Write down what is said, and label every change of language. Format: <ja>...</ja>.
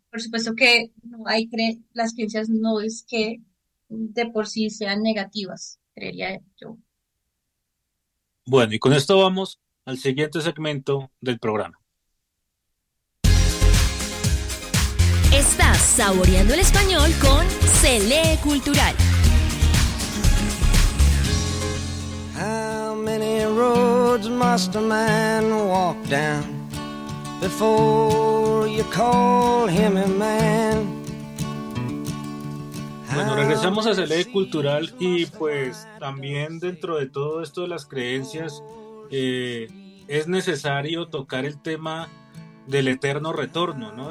<es>Por supuesto que no hay las creencias no es que de por sí sean negativas, creería yo. Bueno, y con esto vamos al siguiente segmento del programa. Estás saboreando el español con Celé Cultural.</es> <en>How many roads must a man walk down before you call him a man?</en> <es>Bueno, regresamos a Celé Cultural y pues también dentro de todo esto de las creencias es necesario tocar el tema del eterno retorno, ¿no?</es>